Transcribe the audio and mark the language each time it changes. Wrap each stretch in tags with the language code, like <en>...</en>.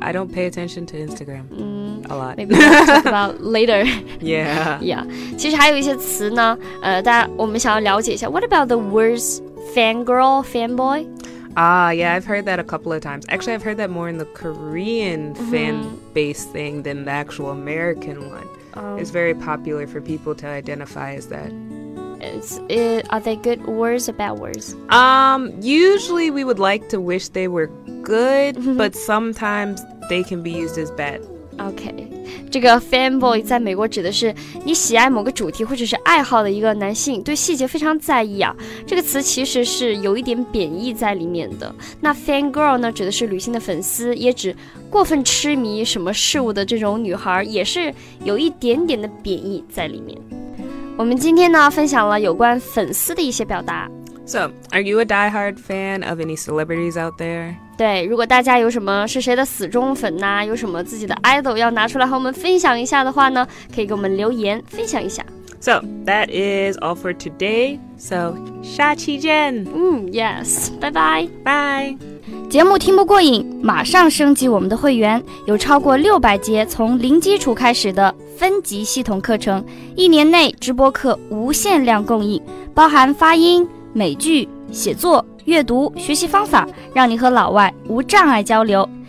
<en>I don't pay attention to Instagram. A lot. Maybe we'll talk about later. Yeah. Yeah.</en> <zh>其实还有一些词呢，大家我们想要了解一下。</zh> <en>What about the words fangirl, fanboy? Ah, yeah, I've heard that a couple of times. Actually, I've heard that more in the Korean fan base thing than the actual American one. It's very popular for people to identify as that. Are they good words or bad words? Usually we would like to wish they were good, but sometimes they can be used as bad. Okay.</en> <zh>这个 fanboy 在美国指的是你喜爱某个主题或者是爱好的一个男性，对细节非常在意啊。这个词其实是有一点贬义在里面的。那 fangirl 呢，指的是女性的粉丝，也指过分痴迷什么事物的这种女孩，也是有一点点的贬义在里面。我们今天呢，分享了有关粉丝的一些表达。</zh> <en>So, are you a diehard fan of any celebrities out there?</en> <zh>对，如果大家有什么是谁的死忠粉呐，有什么自己的 idol 要拿出来和我们分享一下的话呢，可以给我们留言分享一下。</zh> <en>So, that is all for today. So,</en> <zh>下期见。</zh> <en>Yes, bye bye. Bye.</en> <zh>节目听不过瘾，马上升级我们的会员，有超过600节从零基础开始的分级系统课程，一年内直播课无限量供应，包含发音、美剧、写作、阅读、学习方法，让你和老外无障碍交流。</zh>